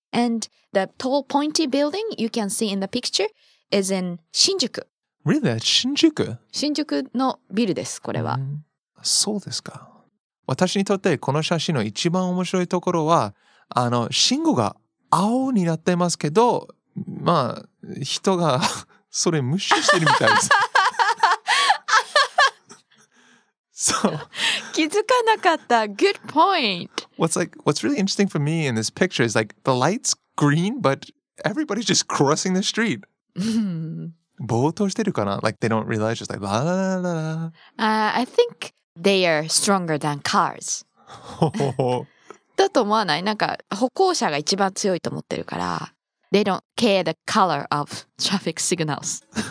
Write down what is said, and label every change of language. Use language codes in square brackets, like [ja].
[en] And the tall pointy building you can see in the picture is in 新宿。 Really? That's 新宿? [ja] 新宿のビルです、これは。そうですか。私にとってこの写真の一番面白いところは、あの信号が青になってますけど、まあ人がそれ無視してるみたいです。そう。気づかなかった。 [en] Good point. What's like, what's really interesting for me in this picture is like the light's green, but everybody's just crossing the street. [ja] 冒頭してるかな? [en] Like they don't realize, just like la la la la la. I think they are stronger than cars. [ja] だと思わない? なんか歩行者が一番強いと思ってるから。 [en] They don't care the color of traffic signals.